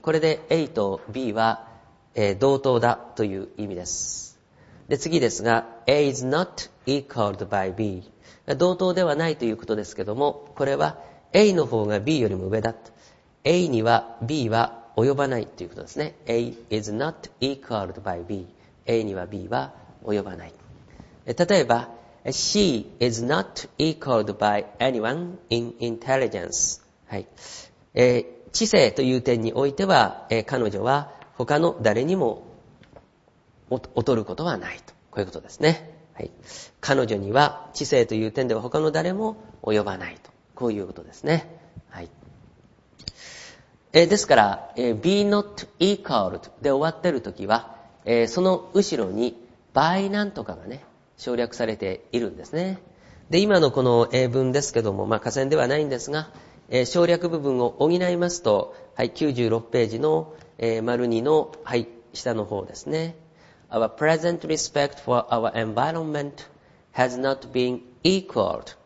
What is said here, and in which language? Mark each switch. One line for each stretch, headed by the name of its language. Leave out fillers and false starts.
Japanese: これで A と B は、同等だという意味です。で、次ですが、
English: A is not equaled by B。
Japanese: 同等ではないということですけども、これは A の方が B よりも上だと。 A には B は及ばないということですね。
English: A is not equaled by B。
Japanese: A には B は及ばない。例えば、
English: C is not equaled by anyone in intelligence。
Japanese: はい。知性という点においては、彼女は他の誰にも劣ることはないと。こういうことですね。はい。彼女には知性という点では他の誰も及ばないと。こういうことですね。はい。ですから、be not equaled で終わってるときは、その後ろに by なんとかがね、省略されているんですね。で、今のこの英文ですけども、まあ、下線ではないんですが、省略部分を補いますと、はい、96ページの、丸2の、はい、下の方ですね。
English: Our present respect for our environment has not been equaled.